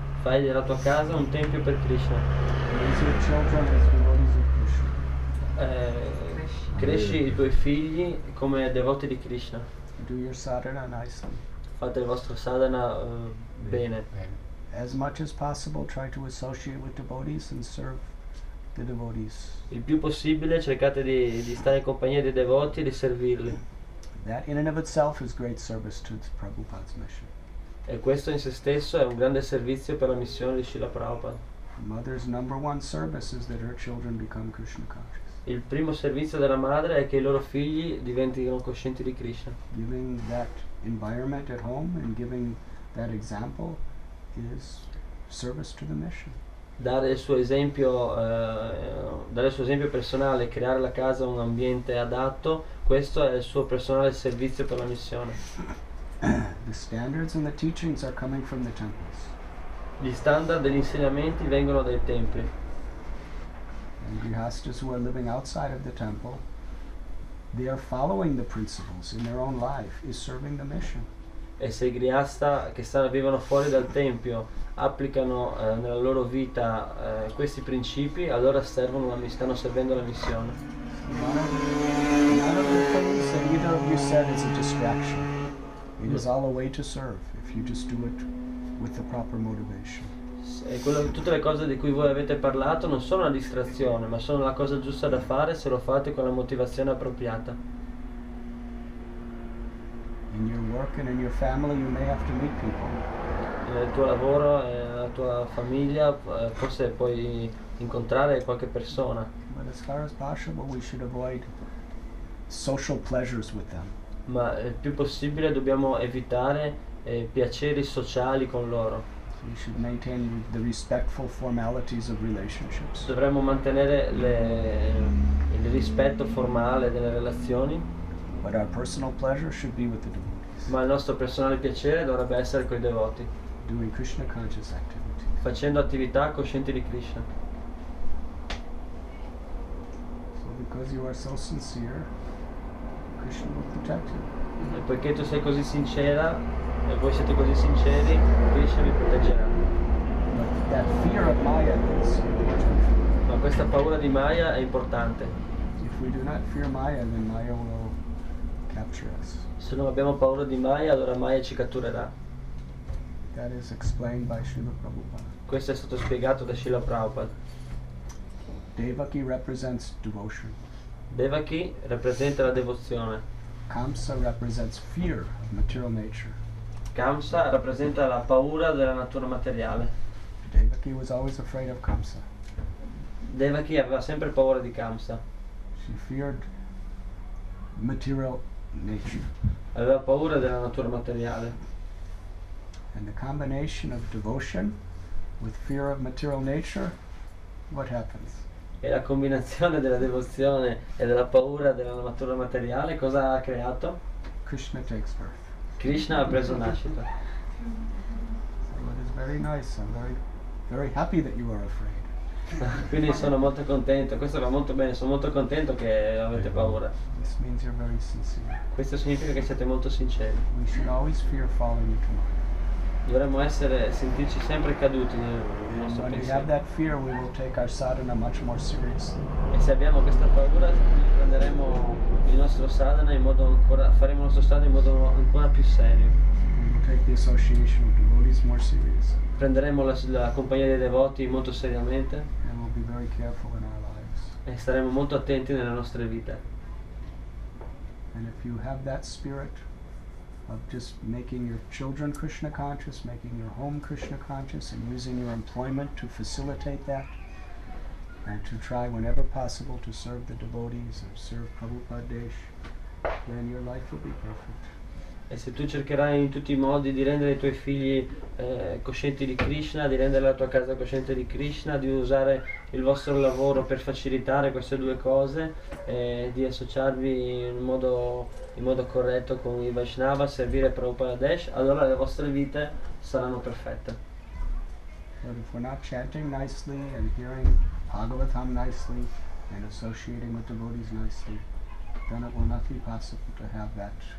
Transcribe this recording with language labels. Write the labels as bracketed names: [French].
[Italian] Fai della tua casa un tempio per Krishna. [English] Raise your children as devotees of Krishna. [Italian] Cresci i tuoi figli come devoti di Krishna. [English] Do your sadhana nicely. [Italian] Fate il vostro sadhana bene. [English] As much as possible, try to associate with devotees and serve the devotees. [Italian] Il più possibile cercate di stare in compagnia dei devoti e di servirli. [English] That in and of itself is great service to Prabhupada's mission. [Italian] E questo in se stesso è un grande servizio per la missione di Srila Prabhupada. [English] Mother's number one service is that her children become Krishna conscious. [Italian] Il primo servizio della madre è che i loro figli diventino coscienti di Krishna. [English] Giving that environment at home and giving that example is service to the mission. [Italian] Dare il suo esempio personale, creare la casa un ambiente adatto, questo è il suo personale servizio per la missione. [English] The standards and the teachings are coming from the temples. [Italian] Gli standard degli insegnamenti vengono dai templi. [English] And grihastas who are living outside of the temple, they are following the principles in their own life, is serving the mission. [Italian] E se i grihasta che vivono fuori dal tempio applicano nella loro vita questi principi, allora stanno servendo la missione. [English] It is all a way to serve if you just do it with the proper motivation. [Italian] Tutte le cose di cui voi avete parlato non sono una distrazione, ma sono la cosa giusta da fare se lo fate con la motivazione appropriata. [English] In your work and in your family you may have to meet people. [Italian] Nel tuo lavoro e nella tua famiglia forse puoi incontrare qualche persona. [English] But as far as possible we should avoid social pleasures with them. [Italian] Ma il più possibile dobbiamo evitare piaceri sociali con loro. [English] We should maintain the respectful formalities of relationships. [Italian] Dovremmo mantenere il rispetto formale delle relazioni. [English] But our personal pleasure should be with the devotees. [Italian] Ma il nostro personale piacere dovrebbe essere con i devoti. [English] Doing Krishna conscious activity. [Italian] Facendo attività coscienti di Krishna. [English] So because you are so sincere, Krishna will protect you. [Italian] E poiché tu sei così sincera e voi siete così sinceri, Krishna vi proteggerà. [English] That fear of Maya is [Italian] Ma questa paura di Maya è importante. [English] If we do not fear Maya, then Maya will capture us. [Italian] Se non abbiamo paura di Maya, allora Maya ci catturerà. [English] That is explained by Srila Prabhupada. [Italian] Questo è stato spiegato da Srila Prabhupada. [English] Devaki represents devotion. [Italian] Devaki rappresenta la devozione. [English] Kamsa represents fear of material nature. [Italian] Kamsa rappresenta la paura della natura materiale. [English] Devaki was always afraid of Kamsa. [Italian] Devaki aveva sempre paura di Kamsa. [English] She feared material nature. [Italian] Aveva paura della natura materiale. [English] And the combination of devotion with fear of material nature, what happens? [Italian] E la combinazione della devozione e della paura della natura materiale cosa ha creato? [English] Krishna takes birth. [Italian] Krishna ha preso nascita. [English] So it is very nice. I'm very, very happy that you are afraid. [Italian] Quindi sono molto contento. Questo va molto bene. Sono molto contento che avete paura. [English] This means you're very sincere. [Italian] Questo significa che siete molto sinceri. [English] We should always fear falling into Maya. [Italian] Dovremmo sentirci sempre caduti nel nostro pensiero. [English] When we have that fear, we will take our sadhana much more seriously. [Italian] E se abbiamo questa paura, prenderemo il nostro sadhana faremo il nostro sadhana in modo ancora più serio. [English] We will take the association of devotees more seriously. [Italian] Prenderemo la compagnia dei devoti molto seriamente. [English] And we'll be very careful in our lives. [Italian] E staremo molto attenti nelle nostre vite. [English] And if you have that spirit of just making your children Krishna conscious, making your home Krishna conscious, and using your employment to facilitate that, and to try whenever possible to serve the devotees or serve Prabhupada Desh, then your life will be perfect. [Italian] E se tu cercherai in tutti i modi di rendere i tuoi figli coscienti di Krishna, di rendere la tua casa cosciente di Krishna, di usare il vostro lavoro per facilitare queste due cose, di associarvi in modo corretto con i Vaishnava, servire Prabhupada Desh, allora le vostre vite saranno perfette. [English] But if we're not chanting nicely and hearing Bhagavatam nicely and associating with devotees nicely, then it will not be possible to have that.